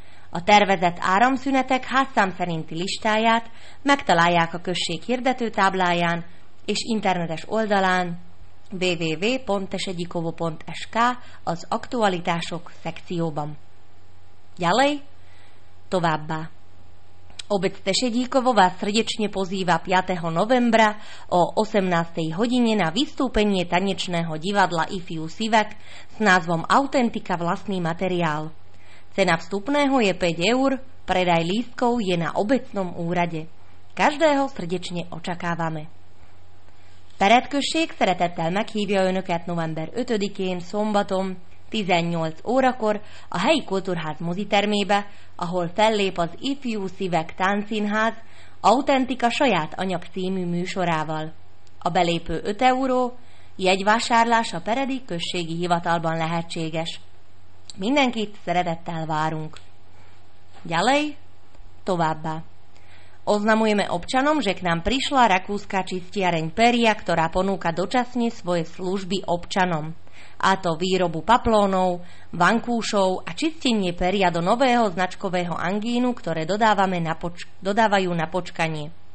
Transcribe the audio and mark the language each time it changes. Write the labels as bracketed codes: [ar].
[hu] A tervezett áramszünetek házszám szerinti listáját megtalálják a község hirdetőtábláján és internetes oldalán www.esegyikovo.sk az aktualitások szekcióban. [sk] Ďalej, [hu] továbbá. [sk] Obec Tešedíkovo vás srdečne pozýva 5. novembra o 18. hodine na vystúpenie tanečného divadla IFIU Sivak s názvom Autentika vlastný materiál. Cena vstupného je 5 eur, predaj lístkov je na obecnom úrade. Každého srdečne očakávame. [hu] Peredkösség szeretettel meghívja önöket november 5-én szombaton 18 órakor a helyi kultúrház mozitermébe, ahol fellép az IFIU Sivak Táncszínház Autentika saját anyag című műsorával. A belépő 5 euró, jegyvásárlás a peredi községi hivatalban lehetséges. Mindenkit szeretettel várunk. [sk] Ďalej, [hu] továbbá. [sk] Oznamujeme občanom, že k nám prišla rakúska čistiareň Peria, ktorá ponúka dočasne svoje služby občanom, a to výrobu paplónov, vankúšov a čistenie peria do nového značkového angínu, ktoré dodávajú na počkanie.